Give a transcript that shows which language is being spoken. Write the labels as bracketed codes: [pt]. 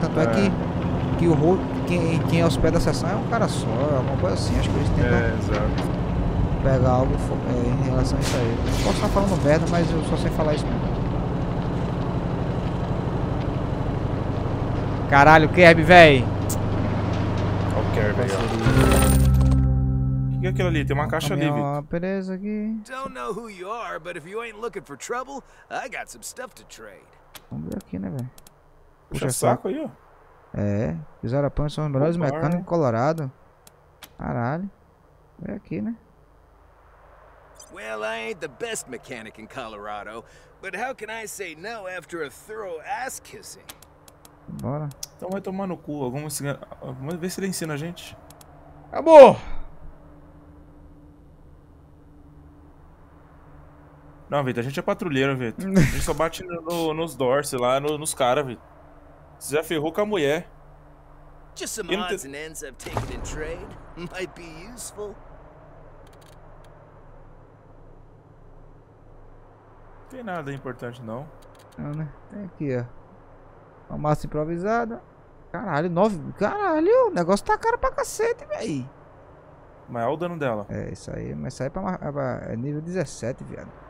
[pt] Tanto é que o host, quem é hospeda a sessão é um cara só, é alguma coisa assim, acho que eles tentam pegar algo em relação a isso aí. Eu posso estar falando merda, mas eu só sei falar isso mesmo. Caralho, Kerb, véi! Olha o Kerb aí, o que é aquilo ali? Tem uma caixa ali, Vitor. Beleza aqui. [en] Don't know who you are, but if you ain't looking for trouble, I got some stuff to trade. [pt] Vamos ver aqui, né, véi? Puxa saco aí, ó. É, fizeram a pão, são os melhores mecânicos colorados. Caralho. Vem aqui, né? [en] Well, I ain't the best mechanic in Colorado, but how can I say no after a thorough ass kissing? [pt] Bora. Então vai tomar no cu, vamos ver se ele ensina a gente. Acabou! Não, Vitor, a gente é patrulheiro, Vitor. A gente só bate nos dorsos lá, nos caras, Vitor. Já ferrou com a mulher. [en] Just some odds and ends I've taken in trade might be useful. [pt] Tem nada importante não. Não, né? Tem aqui, ó. Uma massa improvisada. Caralho, 9. Caralho, o negócio tá caro pra cacete, véi. Mas é o dano dela. É, isso aí. Mas isso aí é nível 17, viado.